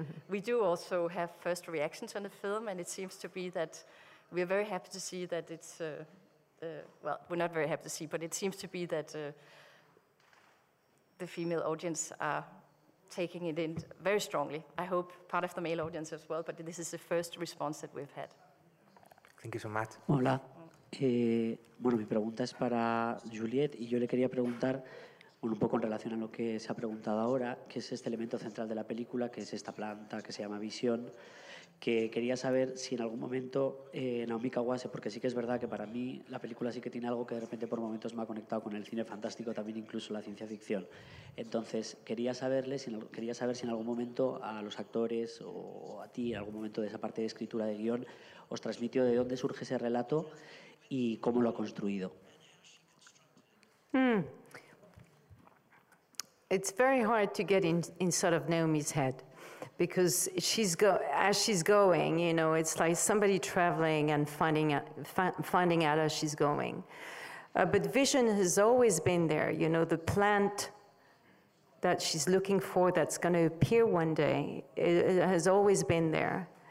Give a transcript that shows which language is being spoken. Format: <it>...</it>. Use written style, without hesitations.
<en>We do also have first reactions on the film, and it seems to be that we're very happy to see that it's, we're not very happy to see, but it seems to be that the female audience are taking it in very strongly. I hope part of the male audience as well, but this is the first response that we've had. Thank you so much.</en> <es>Hola. Bueno, mi pregunta es para Juliette, y yo le quería preguntar, un poco en relación a lo que se ha preguntado ahora, que es este elemento central de la película, que es esta planta que se llama Visión, que quería saber si en algún momento Naomi Kawase, porque sí que es verdad que para mí la película sí que tiene algo que de repente por momentos me ha conectado con el cine fantástico, también incluso la ciencia ficción. Entonces, quería saber si en algún momento a los actores o a ti, en algún momento de esa parte de escritura de guión, os transmitió de dónde surge ese relato y cómo lo ha construido.</es> <en>It's very hard to get in sort of Naomi's head. Because as she's going, you know, it's like somebody traveling and finding out as she's going. But vision has always been there, you know, the plant that she's looking for that's going to appear one day, it has always been there.</en>